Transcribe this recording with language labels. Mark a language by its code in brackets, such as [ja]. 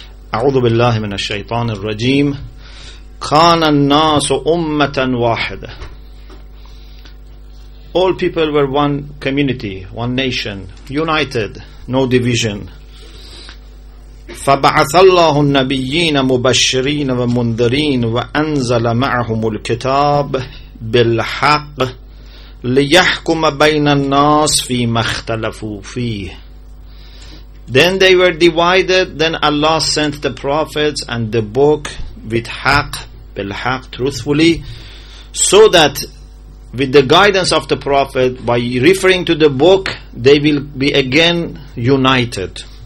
[ar] أعوذ بالله من الشيطان الرجيم كان الناس أمة واحدة. [en] All people were one community, one nation, united, no division. [ar] فبعث الله النبيين مبشرين ومنذرين وأنزل معهم الكتاب بالحق ليحكم بين الناس فيما اختلفوا فيه. [en] Then they were divided, then Allah sent the prophets and the book with haq, bilhaq, truthfully, so that with the guidance of the prophet, by referring to the book, they will be again united.